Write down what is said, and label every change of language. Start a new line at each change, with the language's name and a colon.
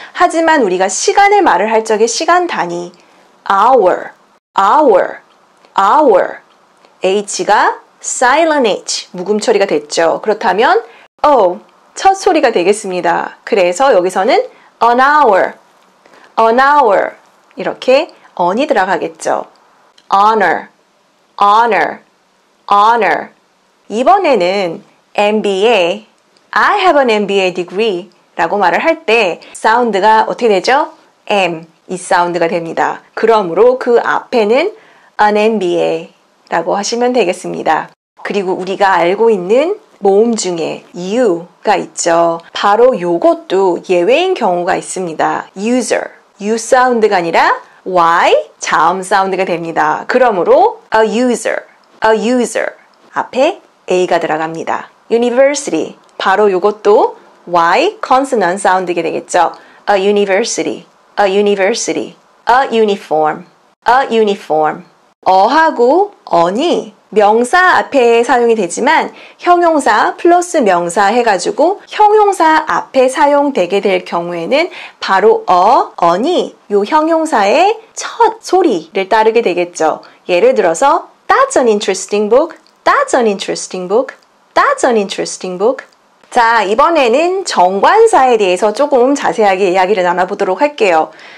Korean: 하지만 우리가 시간을 말을 할 적에 시간 단위 hour, hour, hour H가 silent H, 묵음 처리가 됐죠. 그렇다면 O, 첫 소리가 되겠습니다. 그래서 여기서는 an hour, an hour 이렇게 on이 들어가겠죠. honor, honor, honor 이번에는 MBA,
English: I have an MBA degree
Korean: 라고 말을 할 때 사운드가 어떻게 되죠? M, 이 사운드가 됩니다. 그러므로 그 앞에는 an MBA 라고 하시면 되겠습니다. 그리고 우리가 알고 있는 모음 중에 U가 있죠. 바로 요것도 예외인 경우가 있습니다. User, U 사운드가 아니라 Y, 자음 사운드가 됩니다. 그러므로 a user, a user 앞에 A가 들어갑니다. University, 바로 요것도 Y consonant 사운드가 되겠죠. A university, a university, a uniform, a uniform. 어하고 언이 명사 앞에 사용이 되지만 형용사 플러스 명사 해가지고 형용사 앞에 사용되게 될 경우에는 바로 언이 요 형용사의 첫 소리를 따르게 되겠죠. 예를 들어서
English: That's an interesting book. That's an interesting book. That's an interesting book.
Korean: 자, 이번에는 정관사에 대해서 조금 자세하게 이야기를 나눠보도록 할게요.